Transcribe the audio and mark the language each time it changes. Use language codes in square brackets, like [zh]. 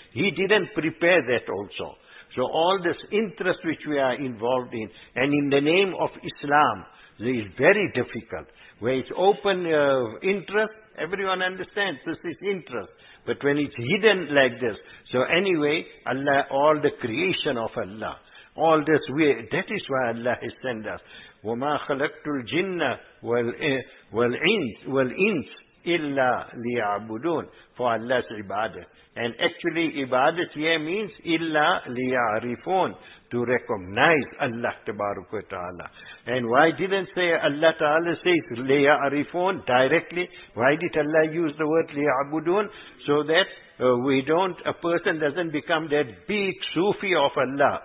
[en] He didn't prepare that also. So all this interest which we are involved in, and in the name of Islam, is very difficult. Where it's open interest, everyone understands this is interest. But when it's hidden like this, so anyway, Allah, all the creation of Allah, all this way, that is why Allah has sent us. [ar] وَمَا خَلَقْتُ الْجِنَّ وَالْإِنْسِ إِلَّا لِيَعْبُدُونَ [en] For Allah's ibadah. And actually, ibadah here means [ar] إِلَّا لِيَعْرِفُونَ [en] To recognize Allah tabaruk wa ta'ala. And why didn't say Allah ta'ala says لِيَعْرِفُونَ directly? Why did Allah use the word لِيَعْبُدُونَ? So that a person doesn't become that big Sufi of Allah.